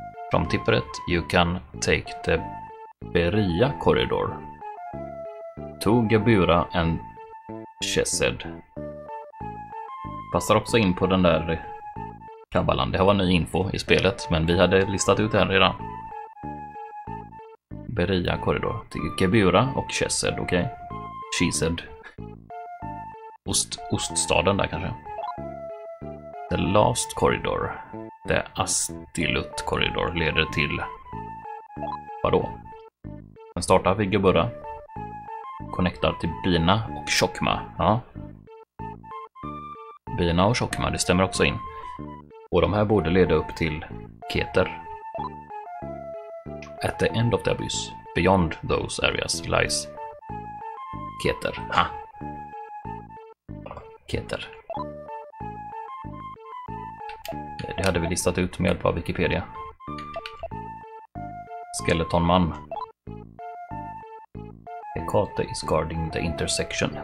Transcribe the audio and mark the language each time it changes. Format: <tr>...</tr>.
<en>From tipperet you can take the Beria corridor to Gabura and Chesed.</en> <sv>Passar också in på den där Kabbalan. Det här var ny info i spelet, men vi hade listat ut den redan. Beria korridor till Gebura och Chesed, okej.</sv> <en>Okay. Chesed.</en> <sv>Oststaden där kanske.</sv> <en>The last corridor. The Astilut corridor</en> <sv>leder till... Vadå? Den startar vid Gebura. Connectar till Bina och Chokma. Ja. Bina och Chokma, det stämmer också in. Och de här borde leda upp till Keter.</sv> <en>At the end of the abyss, beyond those areas lies Keter. Ha. Keter.</en> <sv>Det hade vi listat ut med hjälp av Wikipedia.</sv> <en>Skeletonman. Hecate is guarding the intersection.</en>